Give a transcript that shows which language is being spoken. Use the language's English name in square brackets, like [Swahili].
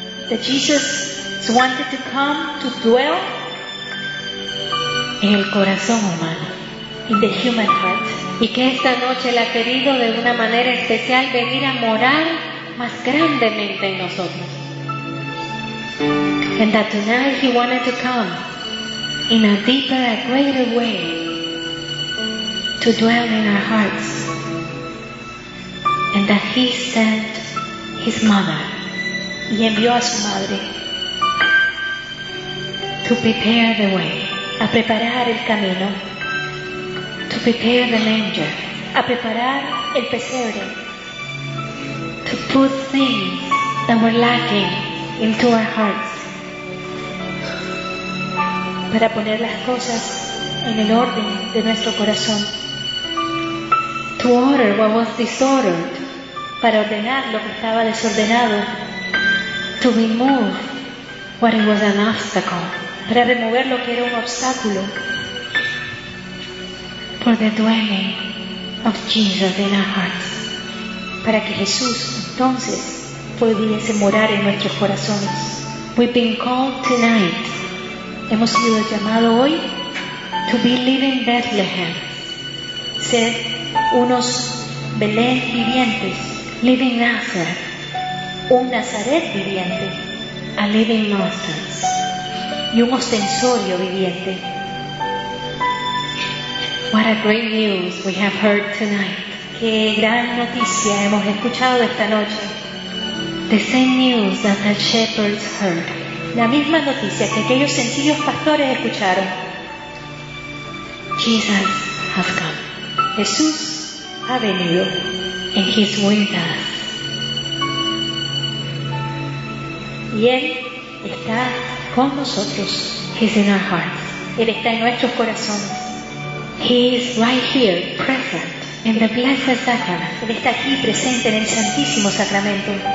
[English] that Jesus has wanted to come to dwell [Spanish] en el corazón humano, [English] in the human heart, [Spanish] y que esta noche él ha querido de una manera especial venir a morar más grandemente en nosotros, [English] and that tonight he wanted to come in a deeper, a greater way to dwell in our hearts, and that he sent his mother, [Spanish] y envió a su madre, [English] to prepare the way, [Spanish] a preparar el camino, [English] to prepare the manger, [Spanish] a preparar el pesebre, [English] to put things that were lacking into our hearts, [Spanish] para poner las cosas en el orden de nuestro corazón, [English] to order what was disordered, [Spanish] para ordenar lo que estaba desordenado, [English] to remove what was an obstacle, [Spanish] para remover lo que era un obstáculo, [English] for the dwelling of Jesus in our hearts, [Spanish] para que Jesús entonces pudiese morar en nuestros corazones. [English] We've been called tonight, [Spanish] hemos sido llamados hoy, [English] to be living Bethlehem, [Spanish] ser unos Belén vivientes, [English] living Nazareth, [Spanish] un Nazaret viviente, [English] a living monster, [Spanish] y un ostensorio viviente. [English] What a great news we have heard tonight. [Spanish] Qué gran noticia hemos escuchado esta noche. [English] The same news that the shepherds heard. [Spanish] La misma noticia que aquellos sencillos pastores escucharon. [English] Jesus has come. [Spanish] Jesús ha venido. [English] And he's with us. [Spanish] Y Él está con nosotros. [English] He's in our hearts. [Spanish] Él está en nuestros corazones. [English] He is right here, present in the Blessed Sacrament. [Spanish] Él está aquí presente en el Santísimo Sacramento.